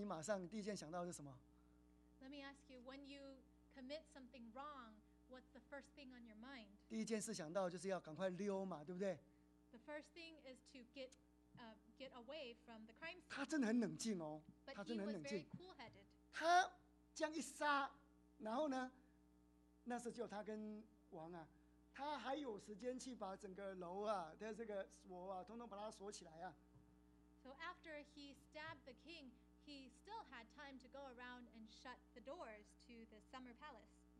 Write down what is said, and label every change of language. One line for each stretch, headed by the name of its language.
Chinese: 我请问你一个问题哈、哦，如果你做了一件坏事啊，那个做了之后，你马上第一件想到是什么 ？
English: Let me ask you, when you commit something wrong, what's the first thing on your mind?
Chinese: 第一件事想到就是要赶快溜嘛，对不对？
English: The first thing is to get away from the crime scene.
Chinese: 他真的很冷静哦，他真的很冷静。
English: But he was very cool-headed.
Chinese: 他这样一杀，然后呢，那时候就他跟王啊。他还有时间去把整个楼啊的这个锁啊，通通把它锁起来啊。
English: So after he stabbed the king, he still had time to go around and shut the doors to the summer palace.